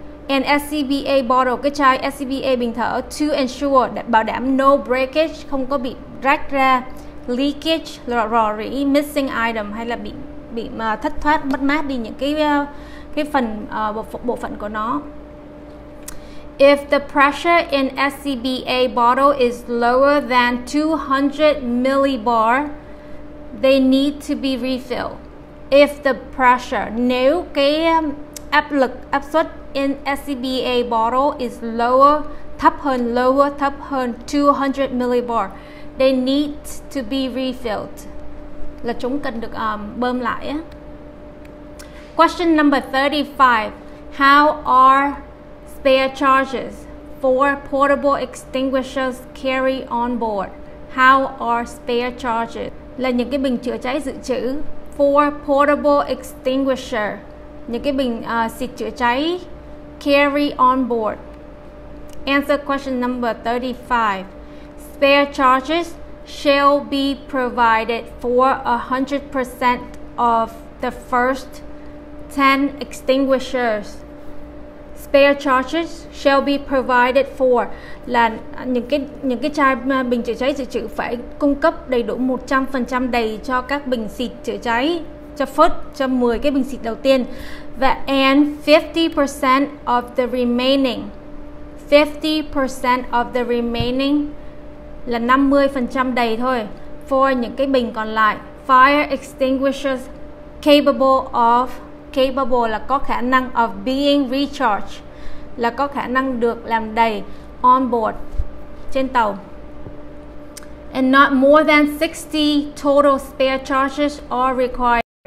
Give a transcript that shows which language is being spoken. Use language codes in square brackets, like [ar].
[en] an SCBA bottle, [vi] cái chai SCBA bình thở, [en] to ensure, [vi] bảo đảm [en] no breakage, [vi] không có bị rách ra, [en] leakage, [vi] rò rỉ, [en] missing item, [vi] hay là bị thất thoát, mất mát đi những cái phần bộ phận của nó. [en] If the pressure in SCBA bottle is lower than 200 millibar, they need to be refilled. If the pressure, [vi] nếu cái áp lực, áp suất [en] in SCBA bottle is lower, [vi] thấp hơn [en] 200 millibar, they need to be refilled. [vi] Là chúng cần được bơm lại. [en] Question number 35. How are spare charges for portable extinguishers carry on board? How are spare charges? [vi] Là những cái bình chữa cháy dự trữ. [en] For portable extinguisher, [vi] những cái bình xịt chữa cháy, [en] carry on board. Answer question number 35. Spare charges shall be provided for 100% of the first 10 extinguishers. Spare charges shall be provided for [vi] là những cái chai bình chữa cháy dự trữ phải cung cấp đầy đủ 100% đầy cho các bình xịt chữa cháy, cho first, cho 10 cái bình xịt đầu tiên, và [en] and 50% of the remaining, 50% of the remaining [vi] là 50% đầy thôi for những cái bình còn lại, [en] fire extinguishers capable [vi] là có khả năng [en] of being recharged, [vi] là có khả năng được làm đầy [en] on board [vi] trên tàu. [en] And not more than 60 total spare charges are required.